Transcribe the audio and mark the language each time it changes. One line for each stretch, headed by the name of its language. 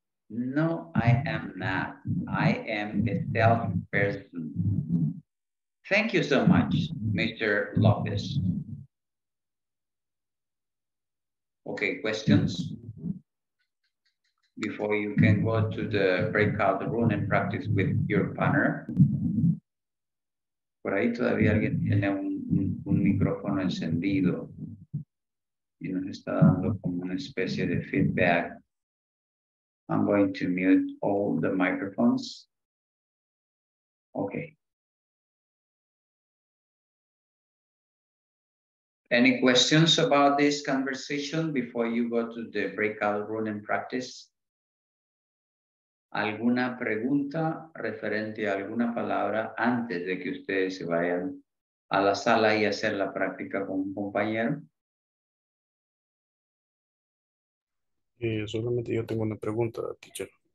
English: No, I am not. I am a salesperson. Thank you so much, Mr. Lopez. Okay, questions? Before you can go to the breakout room and practice with your partner.
Spanish: Por ahí todavía alguien tiene un micrófono encendido y nos está dando como una especie de feedback.
English: I'm going to mute all the microphones. Okay. Any questions about this conversation before you go to the breakout room and practice?
Spanish: ¿Alguna pregunta referente a alguna palabra antes de que ustedes se vayan a la sala y hacer la práctica con un compañero? Solamente yo tengo una pregunta, teacher.